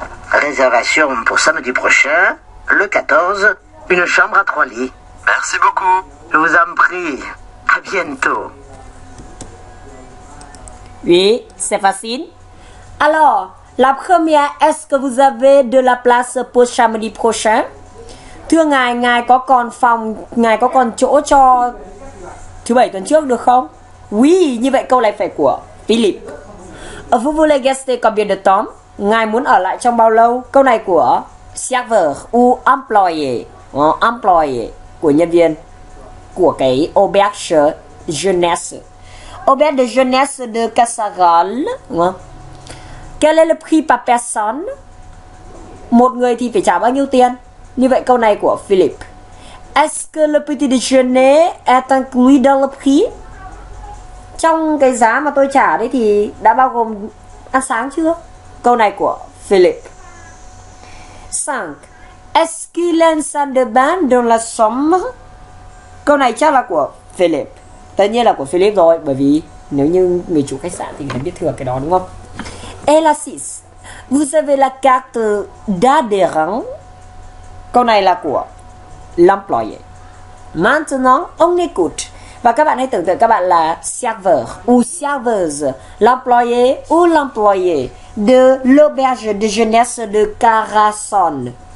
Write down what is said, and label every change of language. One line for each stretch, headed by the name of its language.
French: Réservation pour samedi prochain, le 14, une chambre à trois lits. Merci beaucoup. Je vous en prie. À bientôt. Oui, c'est facile. Alors, la première, est-ce que vous avez de la place pour samedi prochain?
Vietnamese: Thưa ngài, ngài có còn phòng, ngài có còn chỗ cho thứ bảy tuần trước được không? Oui, như vậy câu này phải của Philip.
French: Vous voulez gaster combien de temps?
Vietnamese: Ngài muốn ở lại trong bao lâu? Câu này của serveur ou employé. Employé của nhân viên của cái auberge jeunesse.
French: Auberge de jeunesse de Cassarolles. Quel est le prix par personne?
Vietnamese: Một người thì phải trả bao nhiêu tiền? Như vậy câu này của Philip.
French: Est-ce que le petit déjeuner est inclus dans le prix?
Vietnamese: Trong cái giá mà tôi trả đấy thì đã bao gồm ăn sáng chưa? Câu này của Philip. 5.
French: Est-ce qu'il y a une salle de bain dans la chambre?
Vietnamese: Câu này chắc là của Philip. Tất nhiên là của Philip rồi, bởi vì nếu như người chủ khách sạn thì phải biết thừa cái đó đúng không?
French: Et la 6. Vous avez la carte d'adhérent?
Vietnamese: Câu này là của l'employé.
French: Maintenant, on écoute.
Vietnamese: Và các bạn hãy tưởng tượng các bạn là serveur ou serveuse, l'employé ou l'employé de l'auberge de jeunesse de Carcassonne.